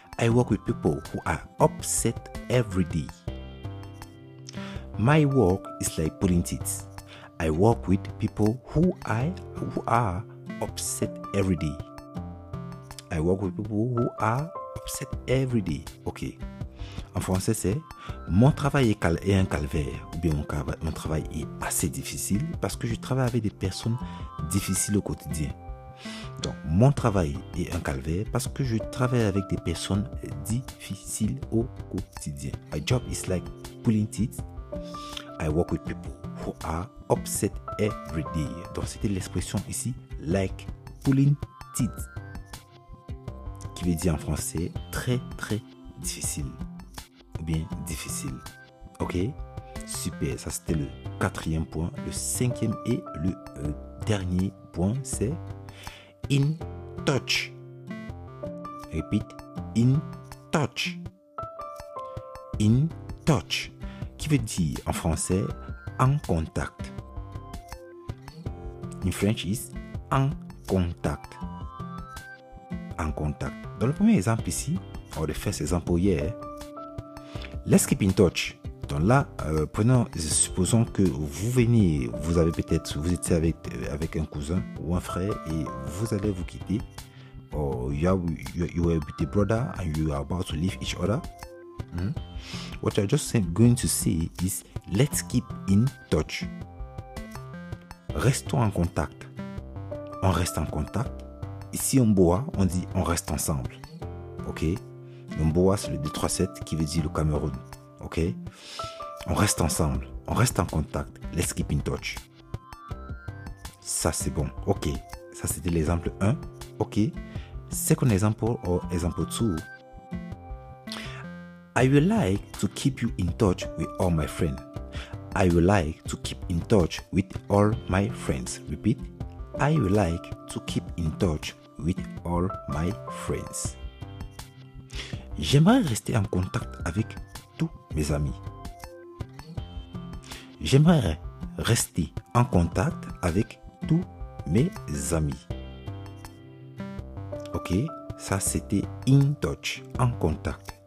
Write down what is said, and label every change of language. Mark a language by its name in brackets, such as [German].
[English] I work with people who are upset every day. My work is like pulling teeth. I work with people who are upset every day. I work with people who are upset every day. Ok. [French] En français, c'est mon travail est un calvaire ou bien mon travail est assez difficile parce que je travaille avec des personnes difficiles au quotidien. Donc, mon travail est un calvaire parce que je travaille avec des personnes difficiles au quotidien. [English] My job is like pulling teeth. I work with people who are upset every day. [French] Donc, c'était l'expression ici, [English] like pulling teeth, [French] qui veut dire en français très, très difficile ou bien difficile. Ok? Super. Ça, c'était le quatrième point. Le cinquième et le dernier point, c'est in touch. [English] Repeat. In touch. In touch. [French] Qui veut dire en français en contact. [English] In French is [French] en contact. En contact. Dans le premier exemple ici, on a fait cet exemple hier. [English] Let's keep in touch. [French] Donc là, supposons que vous venez, vous étiez avec un cousin ou un frère et vous allez vous quitter. [English] Or you are with your brother and you are about to leave each other. What you're just going to say is let's keep in touch. [French] Restons en contact. On reste en contact. Ici on boit, on dit on reste ensemble. Ok? Donc boit c'est le 237 qui veut dire le Cameroun. Ok, on reste ensemble, on reste en contact, [English] let's keep in touch. [French] Ça c'est bon, ok, ça c'était l'exemple 1, ok. [English] Second example or example 2. I would like to keep you in touch with all my friends. I would like to keep in touch with all my friends. Repeat. I would like to keep in touch with all my friends. [French] j'aimerais rester en contact avec tous mes amis. J'aimerais rester en contact avec tous mes amis. Ok, ça c'était in touch, en contact.